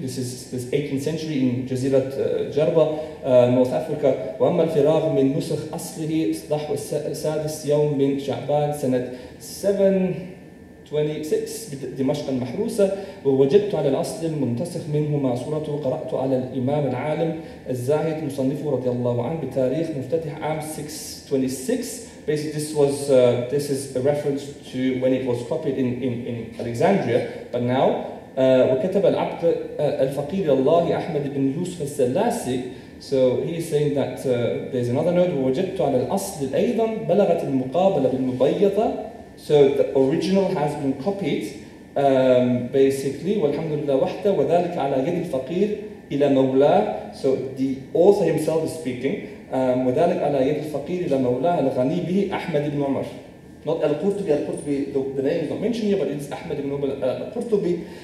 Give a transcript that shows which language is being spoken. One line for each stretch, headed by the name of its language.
English: This is 18th century in جزيرة جربة, North Africa.
Arabic: وَأَمَّا الْفِرَاقُ مِنْ نُسَخْ أَصْلِهِ صَدَحُ السَّادِسِ يَوْمِ مِنْ شَعْبَانِ سَنَةِ 7:26 بدمشق المحروسة ووجدت على الأصل المنتسخ منه ما صورته قرأت على الإمام العالم الزاهد مصنفه رضي الله عنه بتاريخ مفتتح عام 626.
English: Basically this is a reference to when it was copied in Alexandria, but now
Arabic: وكتب العبد الفقير الله أحمد بن يوسف السلاسي.
English: So he is saying that there's another note.
Arabic: ووجدت على الأصل أيضا بلغت المقابلة بالمبيضة.
English: So the original has been copied, basically.
Arabic: وَالْحَمْدُ وحده وَذَلِكَ عَلَى يَدِ الْفَقِيرِ إِلَى مَوْلَاهِ.
English: So the author himself is speaking.
Arabic: وَذَلِكَ عَلَى يَدِ الْفَقِيرِ إِلَى مَوْلَاهِ الْغَنِي بِهِ أَحْمَدِ بْنُ عُمَرِ.
English: Not Al-Qurṭubī, Al-Qurṭubī, the name is not mentioned here, but it's Ahmad ibn Umar Al-Qurṭubī.